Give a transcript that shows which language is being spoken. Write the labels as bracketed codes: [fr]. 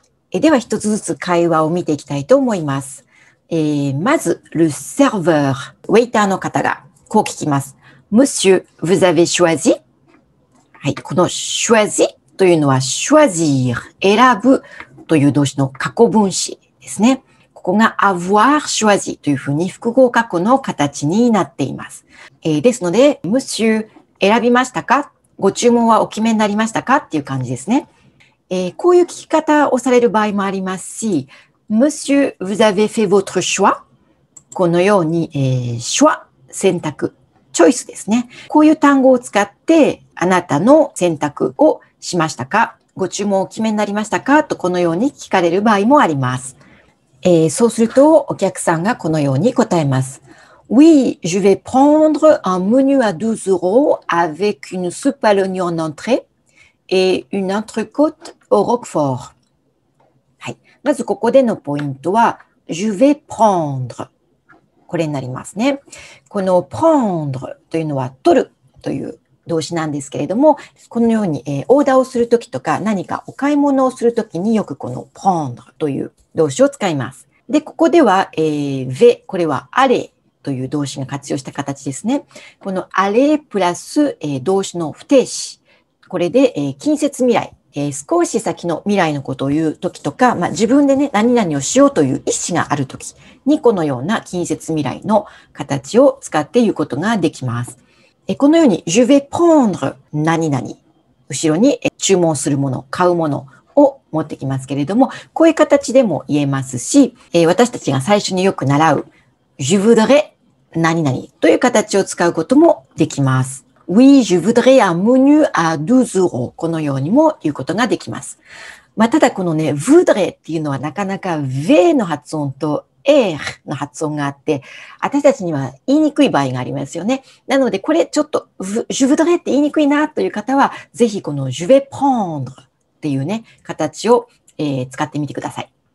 [ja] では一つずつ会話を見ていきたいと思います。まず、 [fr] le serveur、 [ja] ウェイターの方がこう聞きます。 [fr] Monsieur, vous avez choisi? [ja] はい、この choisi というのは choisir、選ぶという動詞の過去分詞ですね。ここが [fr] avoir choisi [ja] というふうに複合過去の形になっています。ですので、Monsieur, 選びましたか?ご注文はお決めになりましたかっていう感じですね。こういう聞き方をされる場合もありますし、 [fr] Monsieur, vous avez fait votre choix? [ja] このように、choix、選択、チョイスですね。こういう単語を使って、あなたの選択をしましたか? ご注文をお決めになりましたか?とこのように聞かれる場合もあります。そうすると、お客さんがこのように答えます。 [fr] Oui, je vais prendre un menu à 12 euros avec une soupe à l'oignon en entrée et une entrecôte au roquefort. [ja] はい。まずここでのポイントは、 [fr] je vais prendre. [ja] これになりますね。この prendre というのは取るという動詞なんですけれども、このようにオーダーをするときとか何かお買い物をするときによくこの prendre という動詞を使います。で、ここでは、ve、これはあれ。という動詞が活用した形ですね。このあれプラス動詞の不定詞。これで近接未来。少し先の未来のことを言うときとか、まあ、自分でね、何々をしようという意思があるときに、このような近接未来の形を使って言うことができます。このように、 [fr] je vais prendre [ja] 何々。後ろに注文するもの、買うもの。を持ってきますけれども、こういう形でも言えますし、私たちが最初によく習う、 [fr] Je voudrais [ja] 何々という形を使うこともできます。 [fr] Oui, je voudrais un menu à 12 euros. [ja] このようにも言うことができます。まあ、ただこのね、voudrais っていうのはなかなか V の発音と R の発音があって、私たちには言いにくい場合がありますよね。なのでこれちょっと、 [fr] je voudrais [ja] って言いにくいなという方は、ぜひこの [fr] je vais prendre [ja] っていうね、形を、使ってみてください。